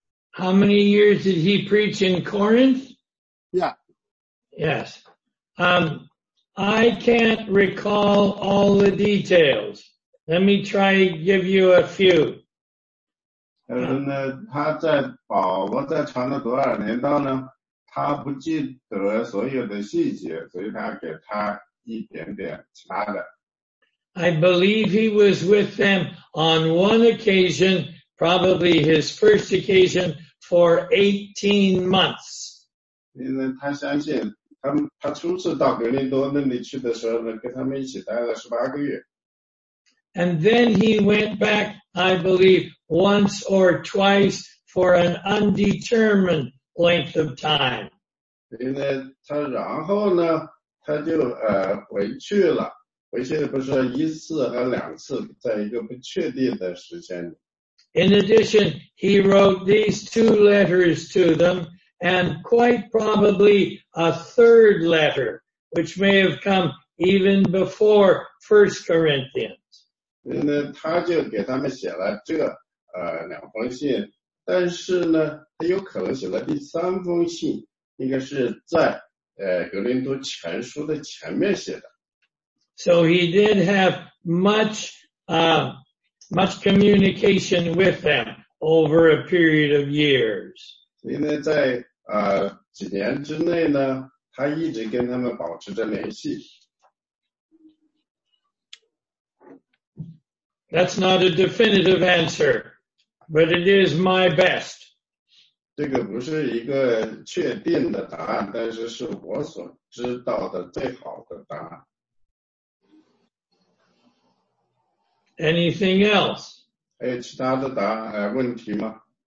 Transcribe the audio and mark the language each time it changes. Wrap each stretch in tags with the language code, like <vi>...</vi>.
<en>How many years did he preach in Corinth? Yeah. Yes. I can't recall all the details. Let me try give you a few.</en> <zh>那他在保罗在传了多少年道呢？他不记得所有的细节，所以他给他一点点其他的。</zh> <en>I believe he was with them on one occasion, probably his first occasion, for 18 months.</en> <zh>因为他相信他初次到格林多那里去的时候呢，跟他们一起待了18个月。</zh> <en>And then he went back, I believe, once or twice for an undetermined length of time.</en> <zh>他然后呢他就回去了，回去不是一次和两次，在一个不确定的时间。</zh> <en>In addition, he wrote these two letters to them, and quite probably a third letter, which may have come even before 1 Corinthians.</en> <zh>他就给他们写了这两封信，但是呢他有可能写了第三封信，应该是在格林多前书的前面写的。</zh> <en>So he did have much communication with them over a period of years.</en> <zh>所以呢在几年之内呢他一直跟他们保持着联系。</zh> <en>That's not a definitive answer, but it is my best.</en> <zh>这个不是一个确定的答案，但是是我所知道的最好的答案。</zh> <en>Anything else?</en> <zh>还有其他的答案问题吗？</zh>